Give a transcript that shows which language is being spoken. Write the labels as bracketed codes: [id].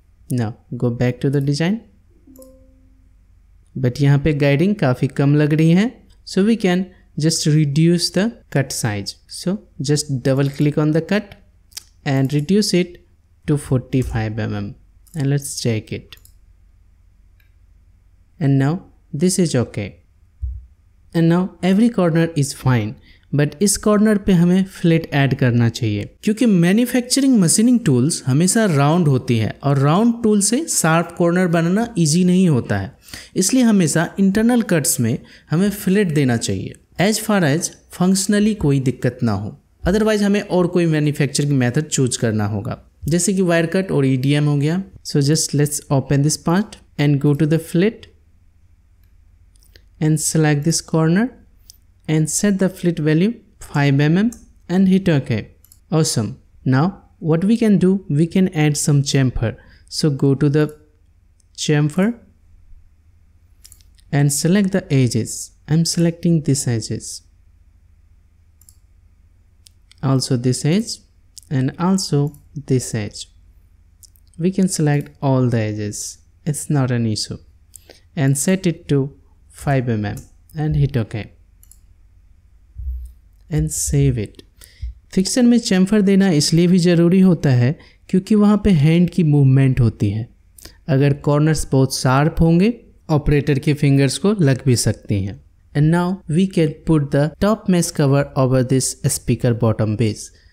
[en] Now go back to the design but [hi] yahan pe guiding kafi kam lag rahi hai, [en] so we can just reduce the cut size. So just double click on the cut and reduce it to 45 mm. And let's check it. And now this is OK. And now every corner is fine, [hi] but इस corner पे हमें flat add करना चाहिए, क्योंकि manufacturing machining tools हमेशा round होती है और राउंड टूल से शार्प कॉर्नर बनाना इजी नहीं होता है, इसलिए हमेशा इंटरनल कट्स में हमें फ्लेट देना चाहिए [en] as far as functionally [hi] कोई दिक्कत ना हो, अदरवाइज हमें और कोई मैन्युफैक्चरिंग मेथड चूज करना होगा, जैसे कि वायर कट और EDM हो गया। [en] So just let's open this part and go to the fillet and select this corner and set the flit value 5 mm and hit OK. Awesome. Now what we can do, we can add some chamfer. So go to the chamfer and select the edges. I'm selecting this edges, also this edge and also this edge. We can select all the edges, it's not an issue, and set it to 5 mm and hit OK and save it. [hi] Fixer में chamfer देना इसलिए भी ज़रूरी होता है क्योंकि वहाँ पे हैंड की मूवमेंट होती है, अगर कॉर्नर्स बहुत शार्प होंगे ऑपरेटर के फिंगर्स को लग भी सकती हैं। [en] And now we can put the top mesh cover over this speaker bottom base.